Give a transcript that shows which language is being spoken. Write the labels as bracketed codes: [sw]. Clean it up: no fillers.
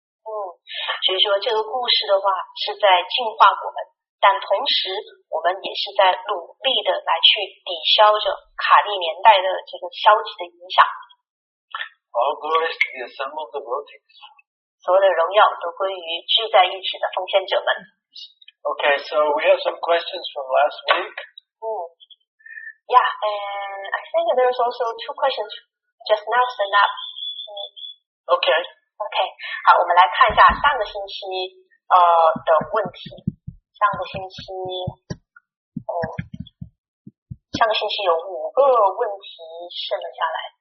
[zh] 所以说这个故事的话是在净化我们，但同时我们也是在努力的来去抵消着卡利年代的这个消极的影响。 [en] All glories to the assembled devotees. [zh] 所有的荣耀都归于聚在一起的奉献者们。 [en] Okay, so we have some questions from last week. Yeah, and I think there's also two questions just now sent up. Okay. [zh] 好，我们来看一下上个星期的问题。上个星期有五个问题剩了下来。